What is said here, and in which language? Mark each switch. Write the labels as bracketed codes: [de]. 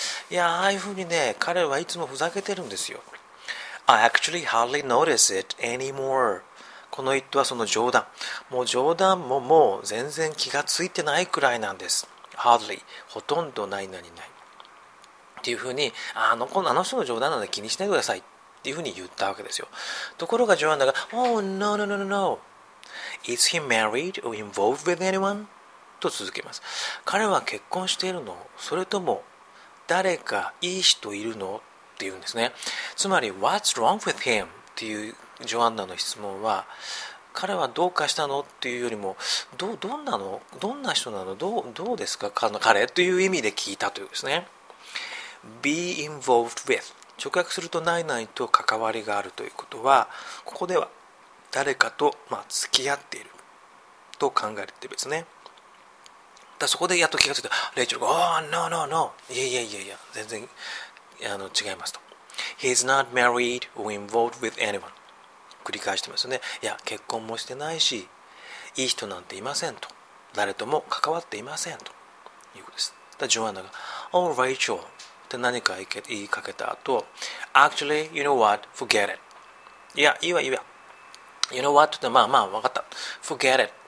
[ja] いや、ああいうふうにね、彼はいつもふざけてるんですよ。 [en] I actually hardly notice it anymore. [ja] この一途はその冗談。もう冗談ももう全然気がついてないくらいなんです。 [en] Hardly. [ja] ほとんどない、何々。っていうふうに、あの人の冗談なんで気にしないでください。っていうふうに言ったわけですよ。ところがジョアンナが [en] Oh, no, no, no, no, no. Is he married or involved with anyone? [ja] と続けます。彼は結婚しているの？それとも誰かいい人いるの？っていうんですね。つまり [en] What's wrong with him? [ja] っていうジョアンナの質問は、彼はどうかしたの？っていうよりも、どんなの？どんな人なの？どうですか？彼？という意味で聞いたというですね。 [en] Be involved with、 [ja] 直訳すると何々と関わりがあるということは、ここでは誰かと、まあ、付き合っていると考えているんですね。だ、そこでやっと気がついた。レイチェルが、 [en] Oh, no, no, no. [ja] いや、全然違いますと。 [en] He's not married or involved with anyone. [ja] 繰り返してますね。いや、結婚もしてないし、いい人なんていませんと。誰とも関わっていませんということです。だジョアナが [en] Oh Rachel [ja] って何か言いかけた後 [en] Actually you know what? Forget it. [ja] いやいいわいいわ [en] You know what? [ja] ってまあまあわかった [en] Forget it.